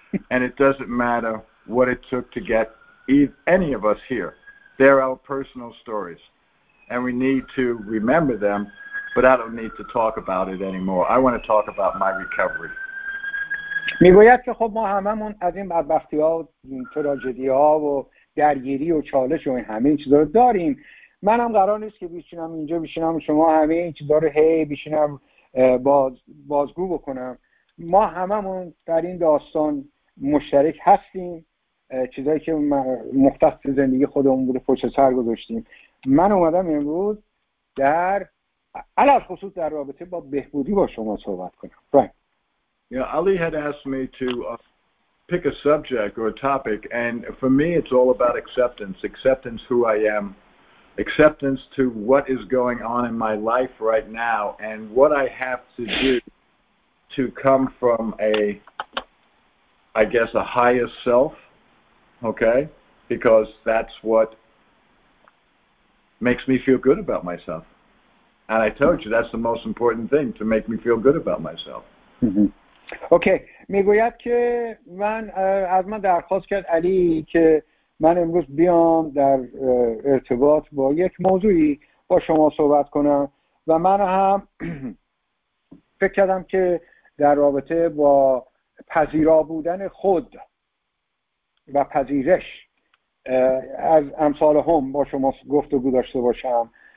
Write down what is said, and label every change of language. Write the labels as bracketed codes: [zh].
[en] And it doesn't matter what it took to get any of us here. They're our personal stories. And we need to remember them, but I don't need to talk about it anymore. I want to talk about my recovery. [fa] می گوید که خب ما هممون از این بدبختی ها و تراژدی ها و درگیری و چالش و این همه این چیزا رو داریم. منم قرار نیست که بشینم اینجا بشینم شما همه این چیزا رو هی بشینم بازگو بکنم. ما هممون در این داستان مشترک هستیم، چیزایی که مختص زندگی خودمون بوده پشت سر گذاشتیم. من اومدم امروز در علل خصوص در رابطه با بهبودی با شما صحبت کنم. [en] Yeah, Ali had asked me to pick a subject or a topic, and for me it's all about acceptance who I am, acceptance to what is going on in my life right now and what I have to do to come from a higher self, okay? Because that's what makes me feel good about myself. And I told you that's the most important thing, to make me feel good about myself. Mm-hmm. Okay. [fa] میگوید که من از من درخواست کرد علی که من امروز بیام در ارتباط با یک موضوعی با شما صحبت کنم، و من هم فکر کردم که در رابطه با پذیرا بودن خود و پذیرش از امثال هم با شما گفتگو داشته باشم.